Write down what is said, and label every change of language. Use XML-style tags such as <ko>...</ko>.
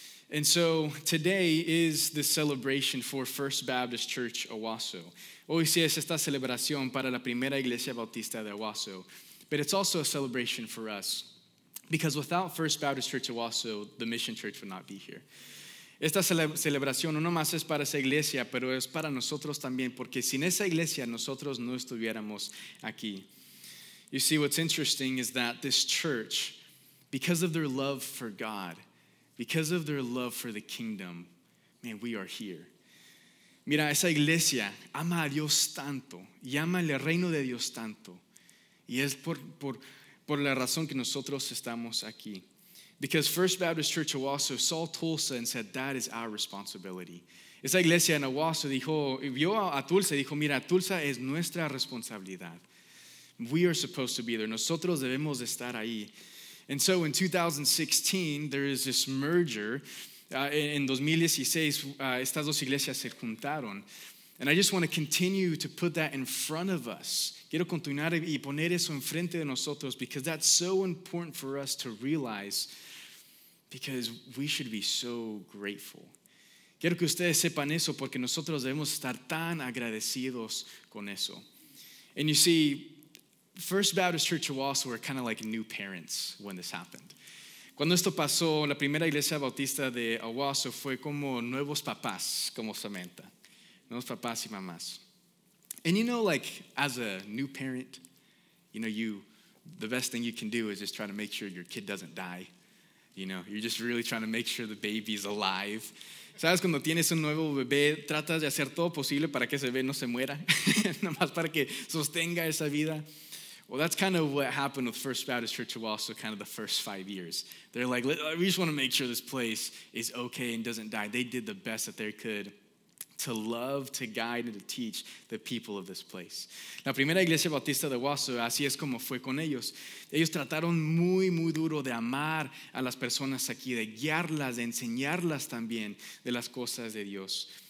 <en>And so today is the celebration for First Baptist Church Owosso.</en> <es>Hoy sí es esta celebración para la primera iglesia bautista de Owosso.</es> <en>But it's also a celebration for us. Because without First Baptist Church Owosso, the Mission Church would not be here.</en> <es>Esta celebración no más es para esa iglesia, pero es para nosotros también. Porque sin esa iglesia, nosotros no estuviéramos aquí.</es> <en>You see, what's interesting is that this church, because of their love for God, because of their love for the kingdom, man, we are here.</en> <es>Mira, esa iglesia ama a Dios tanto y ama el reino de Dios tanto. Y es por la razón que nosotros estamos aquí.</es> <en>Because First Baptist Church Owosso saw Tulsa and said, that is our responsibility.</en> <es>Esa iglesia en Owosso dijo, vio a Tulsa y dijo, mira, Tulsa es nuestra responsabilidad.</es> <en>We are supposed to be there.</en> <es>Nosotros debemos estar ahí.</es> <en>And so in 2016, there is this merger.</en> <es>En 2016, estas dos iglesias se juntaron.</es> <en>And I just want to continue to put that in front of us.</en> <es>Quiero continuar y poner eso enfrente de nosotros</es> <en>because that's so important for us to realize because we should be so grateful.</en> <es>Quiero que ustedes sepan eso porque nosotros debemos estar tan agradecidos con eso.</es> <en>And you see, First Baptist Church Owosso were kind of like new parents when this happened.</en> <es>Cuando esto pasó, la primera iglesia bautista de Owosso fue como nuevos papás, como Samantha. Nuevos papás y mamás.</es> <en>And you know, like, as a new parent, you know, the best thing you can do is just try to make sure your kid doesn't die. You know, you're just really trying to make sure the baby's alive.</en> <es>¿Sabes? Cuando tienes un nuevo bebé, tratas de hacer todo posible para que ese bebé no se muera. Nada más para que sostenga esa vida.</es> <en>Well, that's kind of what happened with First Baptist Church Owosso, kind of the first 5 years. They're like, we just want to make sure this place is okay and doesn't die. They did the best that they could. to love, to guide, and to teach the people of this place.</en> <es>La primera iglesia bautista de Wausau, así es como fue con ellos. Ellos trataron muy, muy duro de amar a las personas aquí, de guiarlas, de enseñarlas también de las cosas de Dios.</es>